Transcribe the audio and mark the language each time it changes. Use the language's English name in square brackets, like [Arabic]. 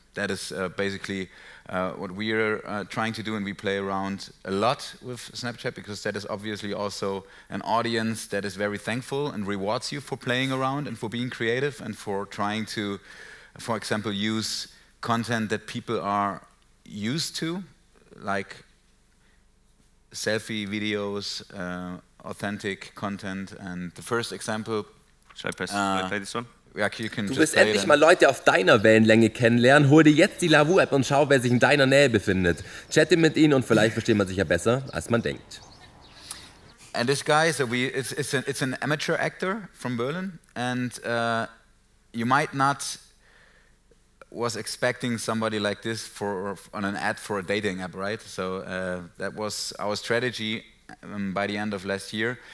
[English] That is basically what we are trying to do, and we play around a lot with Snapchat because that is obviously also an audience that is very thankful and rewards you for playing around and for being creative and for trying to, for example, use content that people are used to, like selfie videos, authentic content, and the first example. Should I play this one? Ja, you can [German] du wirst endlich mal Leute auf deiner Wellenlänge kennenlernen. Hol dir jetzt die LaVou-App und schau, wer sich in deiner Nähe befindet. Chatte mit ihnen und vielleicht versteht man sich ja besser, als man denkt. [English] And this guy, so it's an amateur actor from Berlin, and you might not was expecting somebody like this for on an ad for a dating app, right? So that was our strategy by the end of last year.